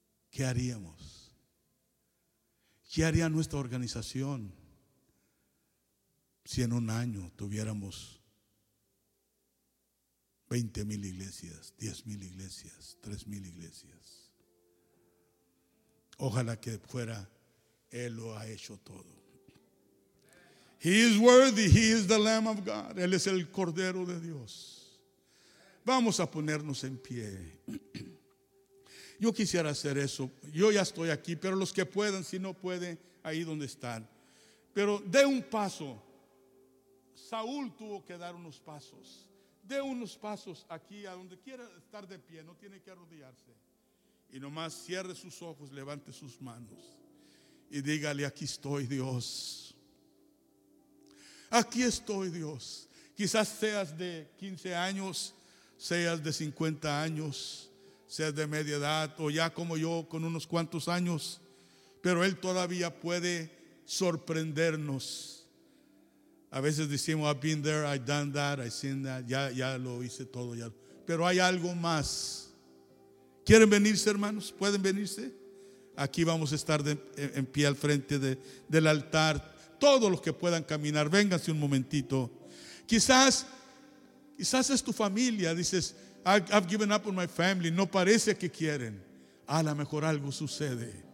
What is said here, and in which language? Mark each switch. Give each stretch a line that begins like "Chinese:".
Spanish: ¿Qué haríamos? ¿Qué haría nuestra organización si en un año tuviéramos 20 mil iglesias, 10 mil iglesias, 3 mil iglesias? Ojalá que fuera, Él lo ha hecho todo.
English: He is worthy, he is the Lamb of God.
Spanish: Él es el Cordero de Dios. Vamos a ponernos en pie. Yo quisiera hacer eso. Yo ya estoy aquí, pero los que puedan, si no pueden, ahí donde están. Pero dé un paso. Saúl tuvo que dar unos pasos. Dé unos pasos aquí, a donde quiera estar de pie. No tiene que arrodillarse. Y nomás cierre sus ojos, levante sus manos. Y dígale: aquí estoy, Dios. Aquí estoy, Dios. Quizás seas de 15 años, seas de 50 años, seas de media edad o ya como yo, con unos cuantos años, pero Él todavía puede sorprendernos. A veces decimos:
English: I've been there, I've done that, I've seen that,
Spanish: ya lo hice todo, ya. Pero hay algo más. ¿Quieren venirse, hermanos? ¿Pueden venirse? Aquí vamos a estar en pie al frente del altar. Todos los que puedan caminar, vénganse un momentito. Quizás es tu familia. Dices:
English: I've given up on my family.
Spanish: No parece que quieren. A lo mejor algo sucede.